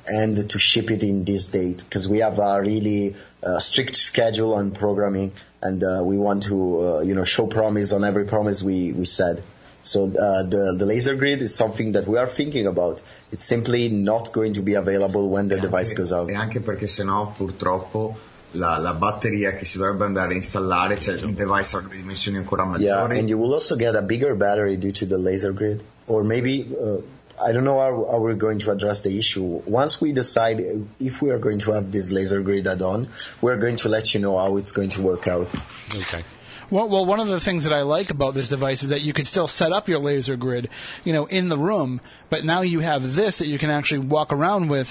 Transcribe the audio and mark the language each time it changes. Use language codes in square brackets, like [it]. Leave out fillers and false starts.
[en] and to ship it in this date, because we have a really... strict schedule on programming, and we want to show promise on every promise we said. So the laser grid is something that we are thinking about. It's simply not going to be available when the device goes out. [it] E anche perché sennò purtroppo la batteria che si dovrebbe andare a installare, cioè il device ha dimensioni ancora maggiori. [en] Yeah, and you will also get a bigger battery due to the laser grid, or maybe I don't know how we're going to address the issue. Once we decide if we are going to have this laser grid add-on, we're going to let you know how it's going to work out. Okay. Well, one of the things that I like about this device is that you could still set up your laser grid, you know, in the room, but now you have this that you can actually walk around with.